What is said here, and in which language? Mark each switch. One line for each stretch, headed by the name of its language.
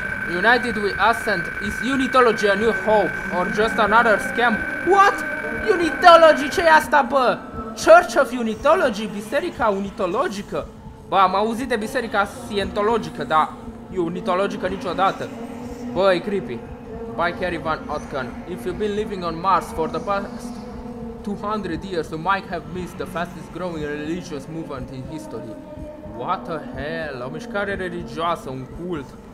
English: United we ascend. Is Unitology a new hope or just another scam? What? Unitology?
Romanian: Ce-i asta, bă?
English: Church of Unitology?
Romanian: Biserica Unitologică? Bă, am auzit de Biserica Scientologică, dar Unitologică niciodată. Bă, e creepy. By Kerry Van Otken.
English: If you've been living on Mars for the past 200 years, you might have missed the fastest growing religious movement in history. What the hell?
Romanian: O mișcare religioasă, un cult.